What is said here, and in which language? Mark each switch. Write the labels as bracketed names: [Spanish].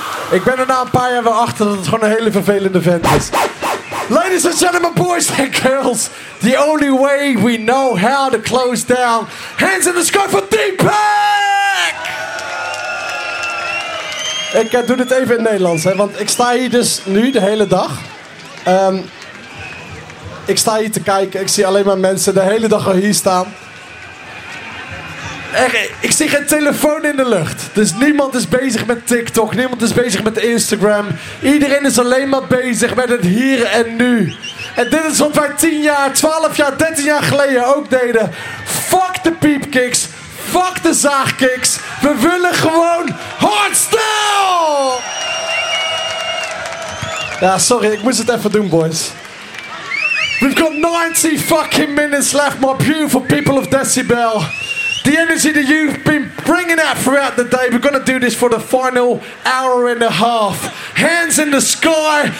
[Dutch] Ik ben er na een paar jaar wel achter dat het gewoon een hele vervelende vent is. [English] Ladies and gentlemen, boys and girls. The only way we know how to close down. Hands in the sky for Deepack! [Dutch] Ik doe dit even in Nederlands. Hè, want ik sta hier dus nu de hele dag. Ik sta hier te kijken, ik zie alleen maar mensen de hele dag al hier staan. Echt, ik zie geen telefoon in de lucht. Dus niemand is bezig met TikTok, niemand is bezig met Instagram. Iedereen is alleen maar bezig met het hier en nu. En dit is wat wij 10 jaar, 12 jaar, 13 jaar geleden ook deden. Fuck de piepkicks, fuck de zaagkicks. We willen gewoon hardstyle! Ja, sorry, ik moest het even doen, boys. [English] We've got 90 fucking minutes left, my beautiful people of Decibel. The energy that you've been bringing out throughout the day, we're gonna do this for the final hour and a half. Hands in the sky.